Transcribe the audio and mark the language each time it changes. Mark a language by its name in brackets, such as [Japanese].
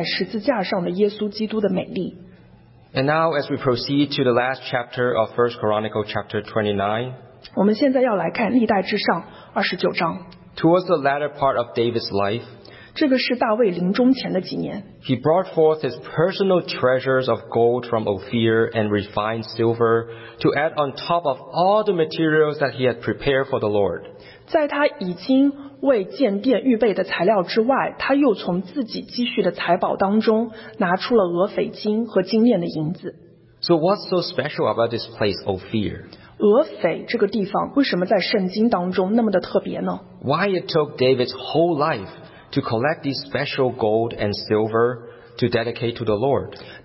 [Chinese] 同时也能够更多地发现被钉在十字架上的耶稣基督的美丽。 [English] And now as we proceed to the last chapter of 1 Chronicles chapter 29, [Chinese] 我们现在要来看历代志上29章。 [English] Towards the latter part of David's life, [Chinese] 这个是大卫临终前的几年。 [English] He brought forth his personal treasures of gold from Ophir and refined silver to add on top of all the materials that he had prepared for the Lord. [Chinese] 在他已经为建殿预备的材料之外，他又从自己积蓄的财宝当中拿出了俄斐金和精炼的银子。 [English] So what's so special about this place, Ophir? [Chinese] 俄斐这个地方为什么在圣经当中那么的特别呢? [English] Why it took David's whole life to collect these special gold and silver to dedicate to the Lord?